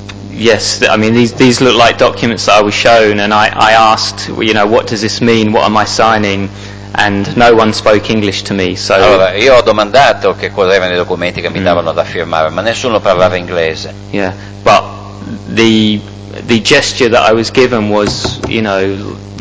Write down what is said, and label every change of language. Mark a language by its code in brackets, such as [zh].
[en] These look like documents that I was shown, and I asked, you know, what does this mean, what am I signing... And no one spoke English to me, so. [it] Allora, io ho domandato che cosa erano i documenti che mi davano da firmare, ma nessuno parlava inglese. [en] Yeah, but the gesture that I was given was, you know.